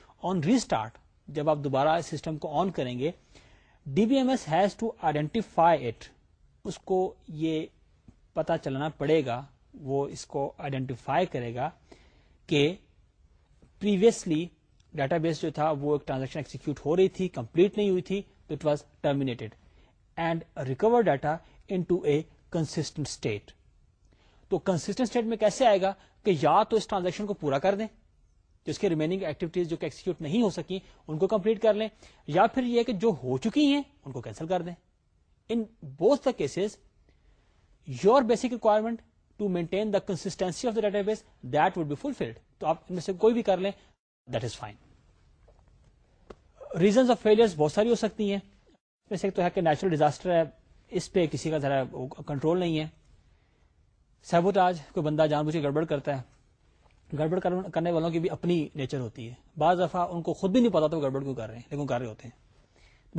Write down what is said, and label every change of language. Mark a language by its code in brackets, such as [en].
[ur] آن ری start جب آپ دوبارہ سسٹم کو آن کریں گے, [en] D B M S has to identify it, [ur] اس کو یہ پتا چلنا پڑے گا, وہ اس کو آئیڈینٹیفائی کرے گا کہ پریویسلی ڈیٹا بیس جو تھا وہ ایک ٹرانزیکشن ایکسیکیوٹ ہو رہی تھی, کمپلیٹ نہیں ہوئی تھی, [en] تو it was terminated and recover data into a constant state. [ur] تو کنسٹنٹ اسٹیٹ میں کیسے آئے گا کہ یا تو اس ٹرانزیکشن کو پورا کر دیں, جس کے ریمیننگ ایکٹیویٹیز جو کہ ایکسیکیوٹ نہیں ہو سکی ان کو کمپلیٹ کر لیں, یا پھر یہ کہ جو ہو چکی ہیں ان کو کینسل کر دیں. [en] In both the cases your basic requirement to maintain the consistency of the database that would be fulfilled. [ur] تو آپ ان میں سے کوئی بھی کر لیں, [en] that is fine. Reasons of failures [ur] بہت ساری ہو سکتی ہیں, جیسے تو ہے کہ نیچرل ڈیزاسٹر ہے, اس پہ کسی کا ذرا کنٹرول نہیں ہے, سیبوتاج, کوئی بندہ جان بوجھ کے گڑبڑ کرتا ہے, گڑبڑ کرنے والوں کی بھی اپنی نیچر ہوتی ہے. بعض دفعہ ان کو خود بھی نہیں پتا تو گڑبڑ کیوں کر رہے ہیں لیکن کر رہے ہوتے ہیں.